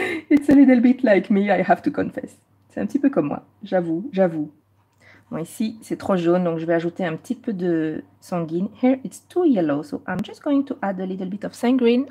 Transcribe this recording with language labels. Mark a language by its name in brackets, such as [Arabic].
[English] It's a little bit like me, I have to confess. [French] C'est un petit peu comme moi, j'avoue, j'avoue. Bon, ici, c'est trop jaune, donc je vais ajouter un petit peu de sanguine. [English] Here, it's too yellow, so I'm just going to add a little bit of sanguine.